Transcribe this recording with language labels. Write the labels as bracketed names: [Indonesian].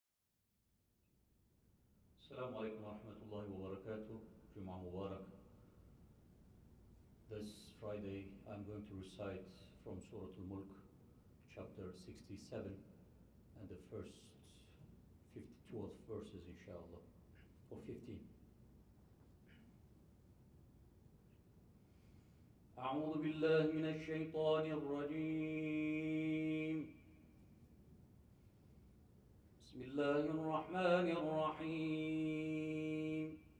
[Arabic] السلام عليكم ورحمة الله وبركاته. جمعة مبارك. [English] This Friday I'm going to recite from Surah Al-Mulk, chapter 67, and the first 52 verses, inshallah, or 15. [Arabic] أعوذ بالله من الشيطان الرجيم. بسم الله الرحمن الرحيم.